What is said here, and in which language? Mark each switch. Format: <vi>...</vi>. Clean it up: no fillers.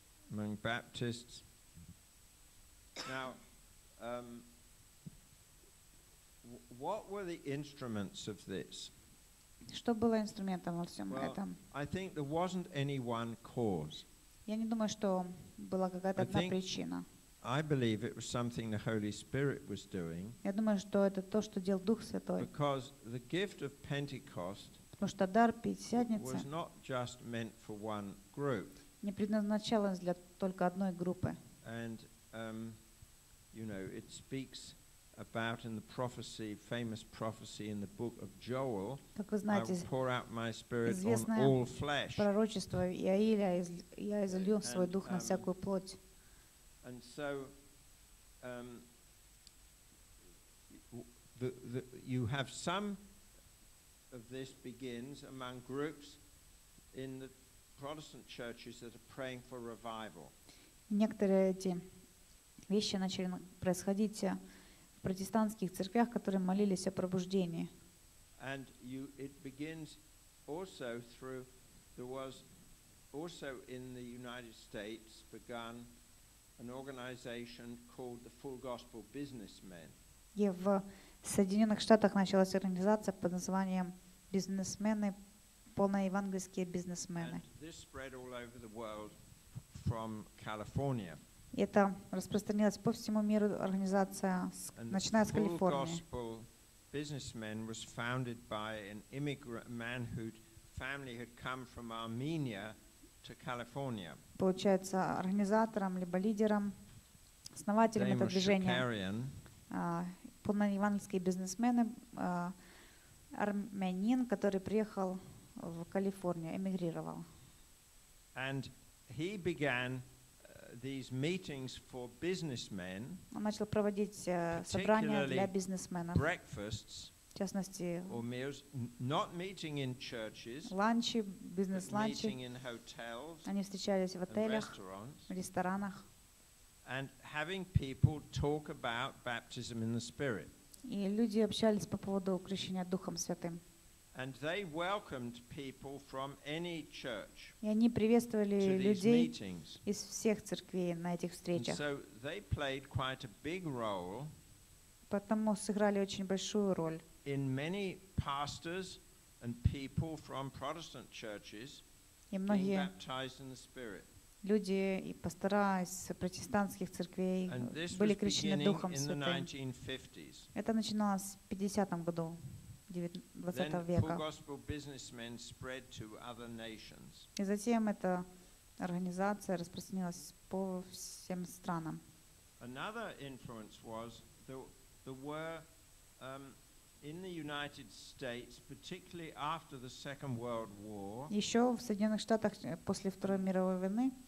<en>Among Baptists. Now, what were the instruments of this?</en> <ru>Что было инструментом во всем этом?</ru> <en>I think there wasn't any one cause.</en> <ru>Я не думаю, что была какая-то одна причина.</ru> <en>I believe it was something the Holy Spirit was doing.</en> <ru>Я думаю, что это то, что делал Дух Святой.</ru> <en>Because the gift of Pentecost was not just meant for one group.</en> <ru>Не предназначалось для только одной группы.</ru> <en>And you know, it speaks about in the prophecy, famous prophecy in the book of Joel.</en> <ru>Как вы знаете,</ru> <en>I will pour out my spirit on all flesh.</en> <ru>Пророчество Иаиля, я излью свой дух на всякую плоть.</ru> <en>And so you have some of this begins among groups in the Protestant churches that are praying for revival.</en> <ru>Некоторые эти вещи начали происходить в протестантских церквях, которые молились о пробуждении.</ru> <en>And it begins also through there was also in the United States begun an organization called the Full Gospel Businessmen.</en> <ru>И в Соединенных Штатах началась организация под названием бизнесмены, полноевангельские бизнесмены.</ru> <en>And this spread all over the world from California.</en> <ru>И это распространилось по всему миру, организация, начиная с Калифорнии.</ru> <en>Full Gospel Businessmen was founded by an immigrant man whose family had come from Armenia to California.</en> <ru>Получается, организатором либо лидером, основателем этого движения, полноевангельские бизнесмены, армянин, который приехал в Калифорнию, эмигрировал.</ru> <en>And he began these meetings for businessmen.</en> <ru>Он начал проводить собрания для бизнесменов.</ru> <en>Breakfasts.</en> <ru>В частности,</ru> <en>or meals, not meeting in churches,</en> <ru>ланчи, бизнес-ланчи,</ru> <en>meeting in hotels,</en> <ru>они встречались в отелях,</ru> <en>restaurants,</en> <ru>в ресторанах,</ru> <en>and having people talk about baptism in the Spirit.</en> <ru>И люди общались по поводу крещения Духом Святым.</ru> <en>And they welcomed people from any church.</en> <ru>И они приветствовали людей из всех церквей на этих встречах.</ru> <en>And so they played quite a big role.</en> <ru>Потому сыграли очень большую роль.</ru> <en>In many pastors and people from Protestant churches being baptized in the Spirit.</en> <ru>Люди и пастора из протестантских церквей были крещены Духом Святым. Это начиналось в 50-м году 20 века.</ru> <en>Full Gospel Businessmen spread to other nations.</en> <ru>И затем эта организация распространилась по всем странам.</ru> <en>Another influence was there were in the United States, particularly after the Second World War,</en> <ru>еще в Соединенных Штатах после Второй мировой войны,</ru>